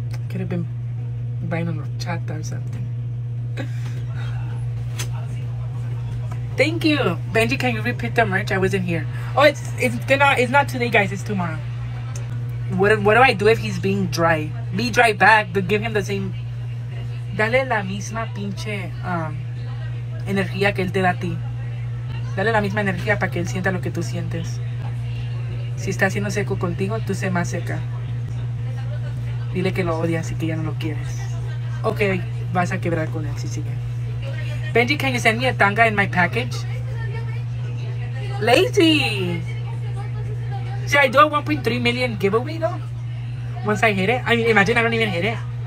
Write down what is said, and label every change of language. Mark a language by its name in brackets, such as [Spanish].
[English] Could have been buying a horchata or something. Thank you. Benji, can you repeat the merch? I wasn't here. Oh, it's not today, guys. It's tomorrow. What do I do if he's being dry? Be dry back, but give him the same... [Spanish] Dale la misma pinche energía que él te da a ti. Dale la misma energía para que él sienta lo que tú sientes. Si está haciendo seco contigo, tú sé más seca. Dile que lo odias y que ya no lo quieres. Ok, vas a quebrar con él si sigue. [English] Benji, can you send me a tanga in my package? Lazy! Should I do a 1.3 million giveaway though? Once I hit it? I mean, imagine I don't even hit it.